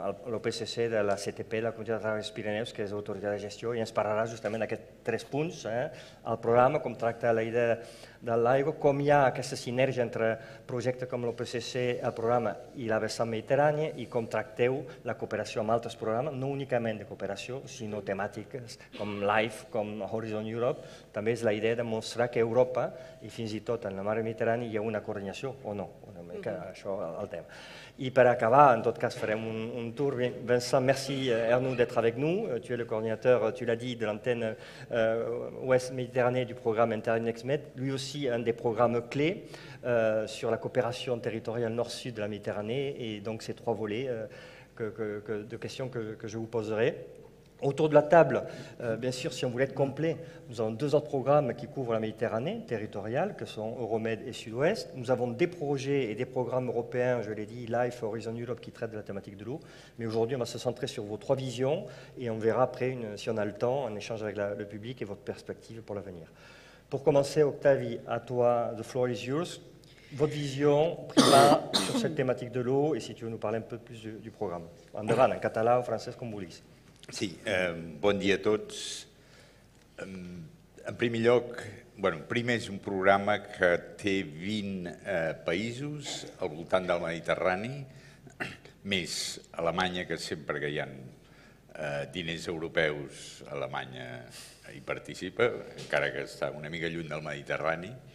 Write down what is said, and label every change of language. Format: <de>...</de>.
<ca>l'OPCC de la CTP, la Comunitat de Travessers Pirineus, que és l'autoritat de gestió, i ens parlarà justament d'aquests tres punts, el programa, com tracta la idea de l'aigua, com hi ha aquesta sinergia entre projectes com l'OPCC, el programa i la vessant mediterrània, i com tracteu la cooperació amb altres programes, no únicament de cooperació, sinó temàtiques com LIFE, com Horizon Europe. També és la idea de mostrar que Europa, i fins i tot en la mar Mediterrani, hi ha una coordinació, o no, una mica això el tema. I per acabar, en tot cas, farem un tour.</ca> <fr>Vincent, merci, Arnaud, d'être avec nous. Tu es le coordinateur, tu l'as dit, de l'antenne Ouest Méditerranée du programme InterNexMed, lui aussi un des programmes clés sur la coopération territoriale nord-sud de la Méditerranée, et donc ces trois volets de questions que je vous poserai. Autour de la table, bien sûr, si on voulait être complet, nous avons deux autres programmes qui couvrent la Méditerranée territoriale, que sont Euromed et Sud-Ouest. Nous avons des projets et des programmes européens, je l'ai dit, LIFE, Horizon Europe, qui traitent de la thématique de l'eau. Mais aujourd'hui, on va se centrer sur vos trois visions et on verra après, si on a le temps, un échange avec le public et votre perspective pour l'avenir. Pour commencer, Octavie, à toi,</fr> <en>the floor is yours.</en> <fr>Votre vision prima sur cette thématique de l'eau et si tu veux nous parler un peu plus du programme. En devant, en català, en français, comme vous voulez.</fr> <ca>Sí, bon dia a tots. En primer lloc, primer és un programa que té 20 països al voltant del Mediterrani, més Alemanya, que sempre que hi ha diners europeus, Alemanya hi participa, encara que està una mica lluny del Mediterrani.</ca>